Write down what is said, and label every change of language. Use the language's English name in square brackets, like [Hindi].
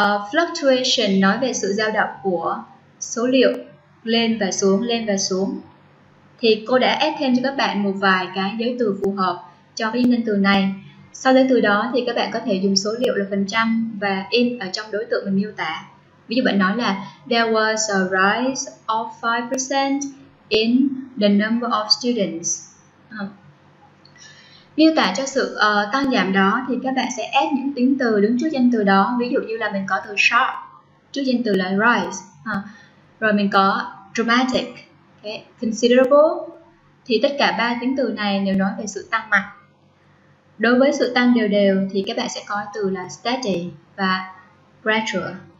[Vietnamese] Fluctuation nói về sự dao động của số liệu lên và xuống, lên và xuống. Thì cô đã add thêm cho các bạn một vài cái giới từ phù hợp cho cái danh từ này. Sau giới từ đó thì các bạn có thể dùng số liệu là phần trăm và in ở trong đối tượng mình miêu tả. Ví dụ bạn nói là [English] there was a rise of 5% in the number of students. [Vietnamese] Miêu tả cho sự tăng giảm đó thì các bạn sẽ add những tính từ đứng trước danh từ đó. Ví dụ như là mình có từ sharp trước danh từ là rise. Rồi mình có dramatic, okay, considerable. Thì tất cả ba tính từ này đều nói về sự tăng mạnh. Đối với sự tăng đều đều thì các bạn sẽ có từ là steady và gradual.